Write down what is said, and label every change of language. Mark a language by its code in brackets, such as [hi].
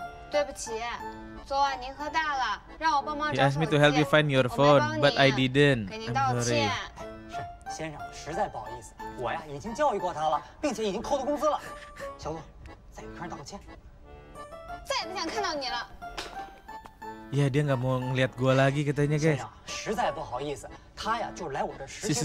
[zh] 对不起，昨晚您喝大了，让我帮忙找手机。 [en] He asked me to help you find your phone, but I didn't. [zh] 给您道歉。是，先生，实在不好意思，我呀已经教育过他了，并且已经扣他工资了。小鹿，再给客人道个歉。再也不想看到你了。 [id] Ya, dia nggak mau ngeliat gue lagi katanya, guys. [zh] 实在不好意思，他呀就来我这实习。